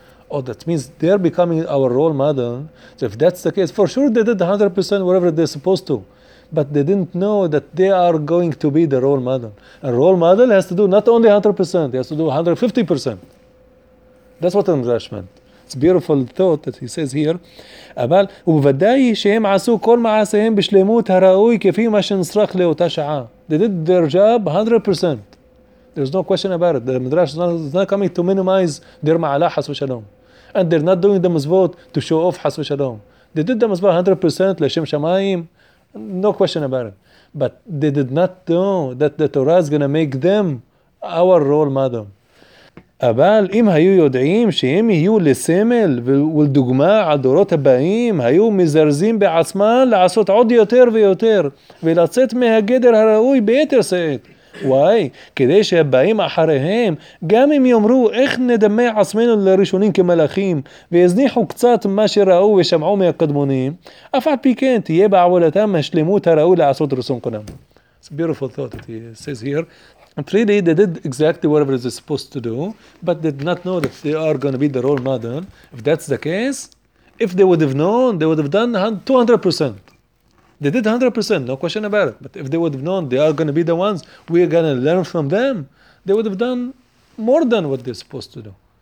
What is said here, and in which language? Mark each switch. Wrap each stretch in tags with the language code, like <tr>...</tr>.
<en>Oh, that means they're becoming our role model. So if that's the case, for sure they did 100% whatever they're supposed to. But they didn't know that they are going to be the role model. A role model has to do not only 100%, he has to do 150%. That's what an Midrash meant. It's a beautiful thought that he says here.</en> <he>אבל ובוודאי שהם עשו כל מעשיהם בשלמות הראוי כפי מה שנצרח לאותה שעה.</he> <en>They did their job 100%. There's no question about it. The Midrash is not coming to minimize their ma'ala,</en> <he>חס ושלום.</he> <en>And they're not doing the mitzvot to show off,</en> <he>חס ושלום.</he> <en>They did the mitzvot 100%</en> <he>לשם שמיים.</he> <en>No question about it. But they did not know that the Torah is going to make them our role model.</en> <he>אבל אם היו יודעים שהם יהיו לסמל ולדוגמה על דורות הבאים, היו מזרזים בעצמם לעשות עוד יותר ויותר, ולצאת מהגדר הראוי ביתר שאת. וואי, כדי שהבאים אחריהם, גם אם יאמרו איך נדמה עצמנו לראשונים כמלאכים, ויזניחו קצת מה שראו ושמעו מהקדמונים, אף על פי כן תהיה בעבודתם השלמות הראוי לעשות רצון קונם.</he> <en>It's a beautiful thought that he says here. And really, they did exactly whatever they're supposed to do, but they did not know that they are going to be the role model. If that's the case, if they would have known, they would have done 200%. They did 100%, no question about it. But if they would have known they are going to be the ones, we are going to learn from them, they would have done more than what they're supposed to do.</en>